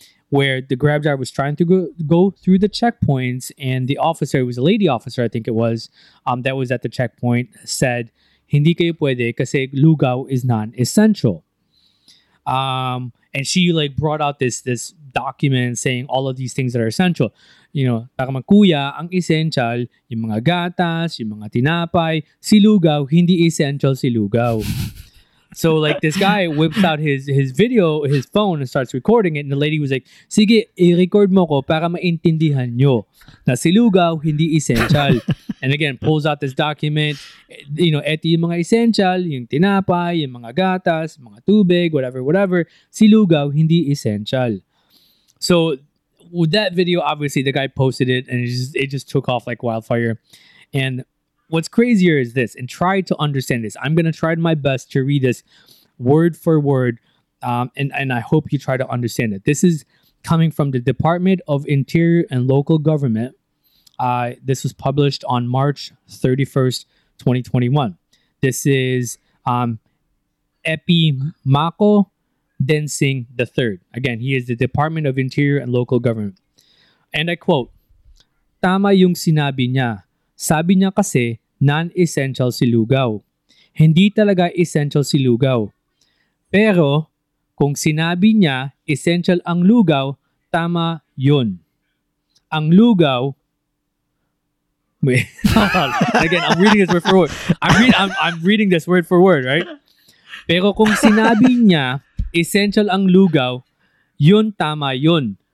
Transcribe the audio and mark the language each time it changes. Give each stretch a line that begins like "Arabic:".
English: Where the Grab driver was trying to go through the checkpoints, and the officer, it was a lady officer, I think it was, that was at the checkpoint, said,
Filipino: hindi kayo pwede kasi
English: Lugao is non-essential. And she like brought out this document saying all of these things that are essential. You know,
Filipino: para magkuya, ang essential, yung mga gatas, yung mga tinapay, si Lugao, hindi essential si Lugao.
English: So like this guy whips out his phone and starts recording it, and the lady was like,
Filipino: "Sige, i-record mo ko para maintindihan nyo na si Lugao hindi essential."
English: And again, pulls out this document. You know,
Filipino: eto yung mga essential, yung tinapay, yung mga gatas, mga tubig,
English: whatever.
Filipino: Si Lugao hindi essential.
English: So with that video, obviously the guy posted it, and it just took off like wildfire. And what's crazier is this, and try to understand this. I'm going to try my best to read this word for word, and I hope you try to understand it. This is coming from the Department of Interior and Local Government. This was published on March 31st, 2021. This is Epimako Densing III. Again, he is the Department of Interior and Local Government. And I quote,
Filipino: "Tama yung sinabi niya. Sabi niya kasi, non-essential si Lugao. Hindi talaga essential si Lugao. Pero kung sinabi niya essential ang Lugao, tama yun. Ang Lugao..."
English: Wait. Again, I'm reading this word for word. I'm reading this word for word, right?
Filipino: "Pero kung sinabi niya essential ang Lugao, yun tama yun.